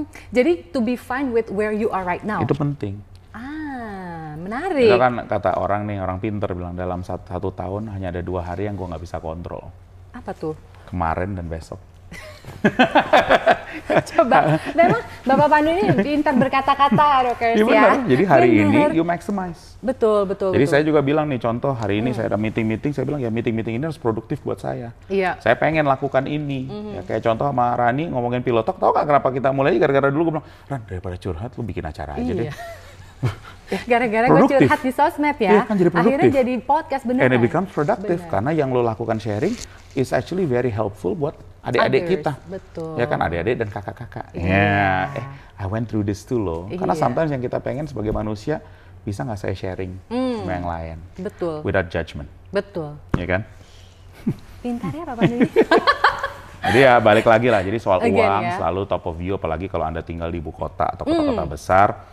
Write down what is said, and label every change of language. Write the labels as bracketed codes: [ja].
[en] Jadi to be fine with where you are right now. [id] Itu penting. Menarik. Itu kan kata orang nih, orang pinter bilang dalam satu tahun hanya ada 2 hari yang gua nggak bisa kontrol. Apa tuh? Kemarin dan besok. Coba, memang Bapak Pandu ini pintar berkata-kata, Rockers, ya. Benar. Jadi hari ini [en] you maximize. [id] Betul, betul. Jadi betul. Saya juga bilang nih, contoh hari ini saya ada meeting-meeting, saya bilang ya meeting-meeting ini harus produktif buat saya. Iya. Saya pengen lakukan ini. Mm-hmm. Ya, kayak contoh sama Rani ngomongin pilotok, tau gak kenapa kita mulai? Gara-gara dulu gue bilang, Ran, daripada curhat, lu bikin acara aja deh. Gara-gara produktif. Gue curhat di sosmed ya, kan jadi produktif. Akhirnya jadi podcast beneran. [en] And it becomes productive, [id] bener. Karena yang lo lakukan [en] sharing is actually very helpful [id] buat adik-adik [en] others. [id] Kita. Betul. Ya kan, adik-adik dan kakak-kakak. Iya. Yeah. [en] I went through this too loh. [id] Karena sometimes yang kita pengen sebagai manusia, bisa gak saya sharing sama yang lain? Betul. [en] Without judgment. [id] Betul. Iya kan? Pintar ya, Pak Pandu. Jadi ya balik lagi lah, jadi soal again, uang ya. Selalu [en] top of view, [id] apalagi kalau Anda tinggal di ibu kota atau kota-kota besar.